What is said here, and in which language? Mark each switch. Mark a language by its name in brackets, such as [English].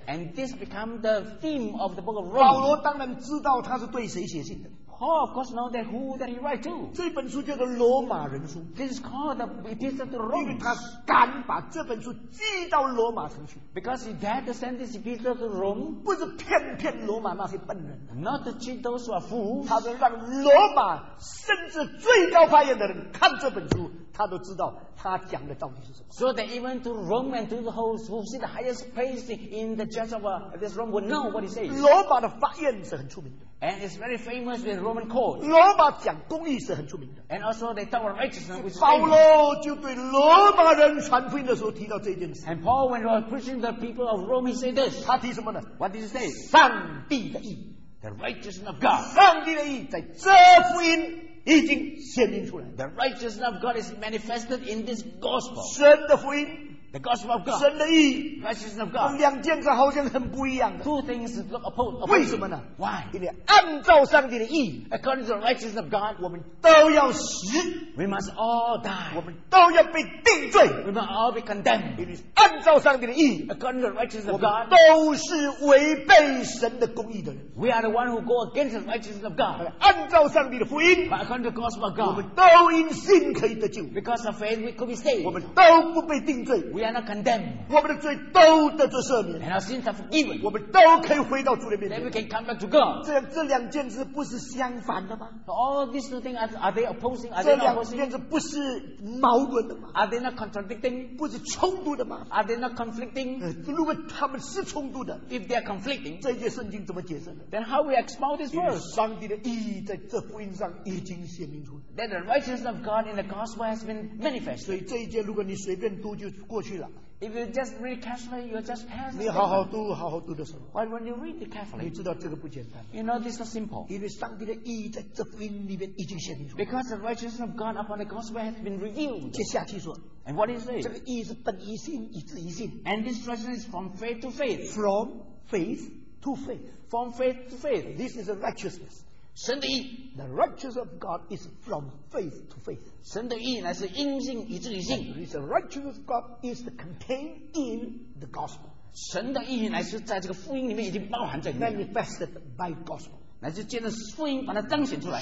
[English] And this becomes the theme of the book of Romans. [Chinese] 保罗当然知道他是对谁写信的。 [English] Paul, of course, know that who that he write to. [Chinese] 这本书叫做罗马人书。 [English] This is called the Epistle to Romans. [Chinese] 因为他敢把这本书寄到罗马城去。 [English] Because he dared to send this Epistle to Rome. [Chinese] 不是骗骗罗马那些笨人。 [English] Not to cheat those who are fools. [Chinese] 他是让罗马甚至最高法院的人看这本书, 他都知道他讲的到底是什么。 [English] So that even to Rome and to the host who see the highest place in the judge of this Rome would know what he says. [Chinese] 罗马的法院是很出名的。 [English] And it's very famous with Roman court. [Chinese] 罗马讲公义是很出名的。 [English] And also they talk about righteousness, which is famous. [Chinese] 保罗就对罗马人传福音的时候提到这件事。 [English] And Paul, when he was preaching the people of Rome, he said this. [Chinese] 他提什么呢? [English] What did he say? [Chinese] 上帝的义。 [English] The righteousness of God. [Chinese] 上帝的义在这福音 已经显明出来, [English] the righteousness of God is manifested in this gospel. [Chinese] 神的福音, [English] the gospel of God. [Chinese] 神的义, [English] righteousness of God. [Chinese] 两件事好像很不一样的, [English] two things look opposed. [Chinese] 为什么呢? [English] Why? [Chinese] 因为按照上帝的义, [English] according to the righteousness of God, [Chinese] 我们都要死, [English] we must all die. [Chinese] 我们都要被定罪, [English] we must all be condemned. [Chinese] 因为按照上帝的义, [English] according to the righteousness of God, [Chinese] 都是违背神的公义的人。 [English] We are the one who go against the righteousness of God. [Chinese] 按照上帝的福音, [English] by according to the gospel of God, [Chinese] 我们都因信可以得救, [English] because of faith we could be saved. [Chinese] 我们都不被定罪, [English] we are not condemned. [Chinese] 我们的罪都得罪赦免, [English] and our sins are forgiven. [Chinese] 我们都可以回到主的面前, [English] then we can come back to God. [Chinese] 这两件事不是相反的吗? [English] So all these two things, are they opposing? Are they not opposing? [Chinese] 这两件事不是矛盾的吗? [English] Are they not contradicting? [Chinese] 不是冲突的吗? [English] Are they not conflicting? [Chinese] 如果他们是冲突的, [English] if they are conflicting, [Chinese] 这些圣经怎么解释? [English] Then how we expound this verse? [Chinese] 上帝的义在这福音上已经显明出来。 [English] Then the righteousness of God in the gospel has been manifested. [Chinese] 所以这一节如果你随便读就过去了。去了。 [English] If you just read carefully, you just pass. [Chinese] 你好好读，好好读的时候。 [English] But when you read it carefully, [Chinese] 你知道这个不简单。 [English] You know this is simple. [Chinese] 因为上帝的意义在这福音里面已经显明出来。 [English] Because the righteousness of God upon the gospel has been revealed. [Chinese] 接下去说。 [English] And what is it? 这个意义是本于信，以至于信。 And this righteousness is from faith to faith. From faith to faith. From faith to faith. This is a righteousness. [Chinese] 神的义 [English] the righteousness of God is from faith to faith. [Chinese] 神的义乃是因信以至于信 [English] the righteousness of God is contained in the gospel. [Chinese] 神的义乃是在这个福音里面已经包含在里面 [English] manifested by gospel. [Chinese] 乃是借着福音把它彰显出来